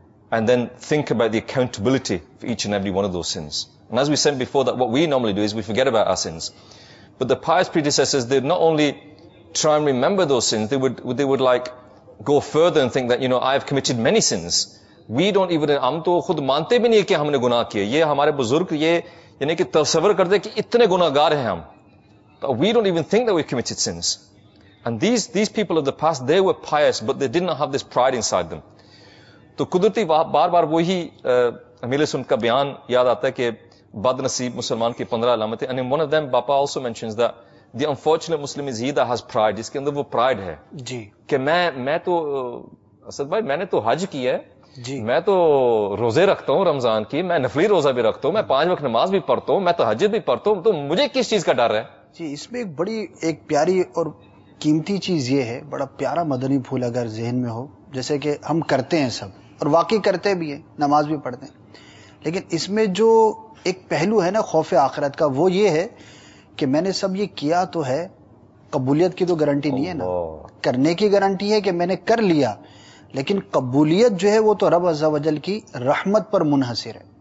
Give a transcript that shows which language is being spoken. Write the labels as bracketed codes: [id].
[en] And then think about the accountability for each and every one of those sins. And as we said before, that what we normally do is we forget about our sins. But the pious predecessors, they'd not only try and remember those sins, they would like go further and think that, you know, I've committed many sins. We don't even, [ur] ہم تو خود مانتے بھی نہیں کہ ہم نے گناہ کیے. یہ ہمارے بزرگ یہ یعنی کہ تصور کرتے کہ اتنے گناہ گار ہیں ہم. [en] But we don't even think that we've committed sins. And these people of the past, they were pious, but they did not have this pride inside them. [ur] تو قدرتی بار بار وہی امیل سن کا بیان یاد آتا ہے کہ بد نصیب مسلمان کی 15 علامتیں. [en] And in one of them, Bapa also mentions that the unfortunate Muslim is he that has pride. [ur] جس کے اندر وہ pride ہے. جی. کہ میں تو, اسد بھائی, میں نے تو حج کیا ہے. جی. میں تو روزے رکھتا ہوں رمضان کی. میں نفلی روزہ بھی رکھتا ہوں. میں 5 وقت نماز بھی پڑھتا ہوں. میں تہجد بھی پڑھتا ہوں. تو مجھے کس چیز کا ڈر ہے؟ جی, اس میں ایک بڑی, ایک پیاری اور قیمتی چیز یہ ہے, بڑا پیارا مدنی پھول اگر ذہن میں ہو, جیسے کہ ہم کرتے ہیں سب اور واقعی کرتے بھی ہیں, نماز بھی پڑھتے ہیں, لیکن اس میں جو ایک پہلو ہے نا خوف آخرت کا, وہ یہ ہے کہ میں نے سب یہ کیا تو ہے, قبولیت کی تو گارنٹی نہیں ہے نا, کرنے کی گارنٹی ہے کہ میں نے کر لیا, لیکن قبولیت جو ہے وہ تو رب عزوجل کی رحمت پر منحصر ہے.